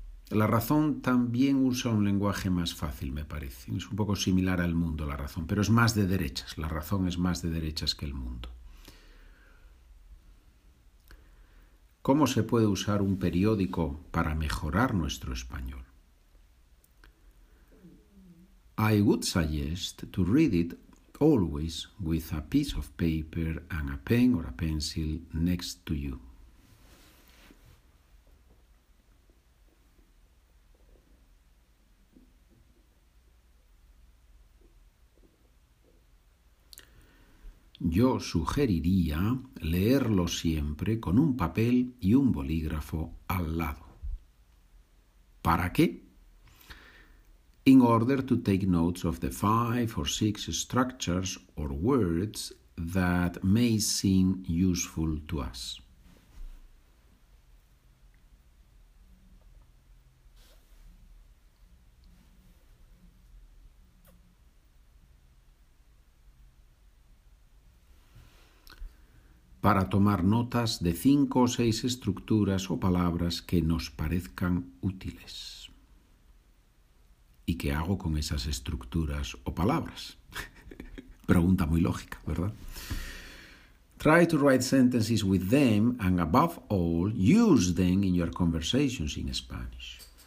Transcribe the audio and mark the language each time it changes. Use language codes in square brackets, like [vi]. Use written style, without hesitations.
[es] La Razón también usa un lenguaje más fácil, me parece. Es un poco similar al Mundo, La Razón, pero es más de derechas. La Razón es más de derechas que El Mundo. ¿Cómo se puede usar un periódico para mejorar nuestro español? [en] I would suggest to read it always with a piece of paper and a pen or a pencil next to you. [es] Yo sugeriría leerlo siempre con un papel y un bolígrafo al lado. ¿Para qué? [en] In order to take notes of the 5 or 6 structures or words that may seem useful to us. [es] Para tomar notas de 5 o 6 estructuras o palabras que nos parezcan útiles. ¿Y qué hago con esas estructuras o palabras? Pregunta muy lógica, ¿verdad? [en] Try to write sentences with them and above all, use them in your conversations in Spanish.